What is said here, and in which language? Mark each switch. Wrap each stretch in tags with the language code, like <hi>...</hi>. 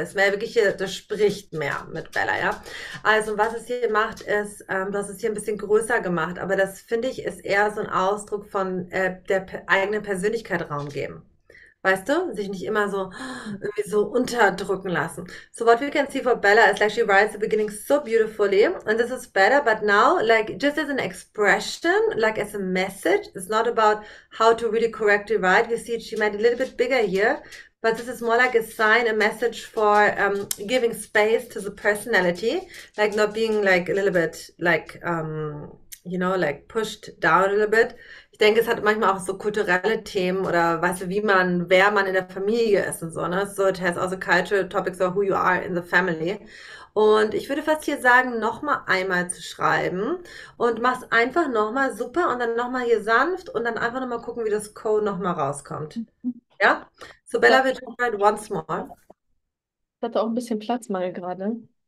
<de>Es ist mehr wirklich hier, das spricht mehr mit Bella, ja. Also was es hier macht, ist, du hast es hier ein bisschen größer gemacht. Aber das finde ich, ist eher so ein Ausdruck von der eigenen Persönlichkeit Raum geben. Weißt du, sich nicht immer so irgendwie so unterdrücken lassen.</de> <en>So what we can see for Bella is like she writes the beginning so beautifully and this is better, but now like just as an expression, like as a message, it's not about how to really correctly write. We see she made it a little bit bigger here, but this is more like a sign, a message for giving space to the personality, like not being like a little bit like you know, like pushed down a little bit.</en> <de>Ich denke, es hat manchmal auch so kulturelle Themen oder weißt du, wie man, wer man in der Familie ist und so, ne?</de> <en>So, it has also cultural topics or who you are in the family.</en> <de>Und ich würde fast hier sagen, nochmal einmal zu schreiben und mach's einfach nochmal super und dann nochmal hier sanft und dann einfach nochmal gucken, wie das Code nochmal rauskommt.</de> <en>Ja? So, Bella, we try it once.</en> <de>Hatte auch ein bisschen Platzmangel gerade.</de>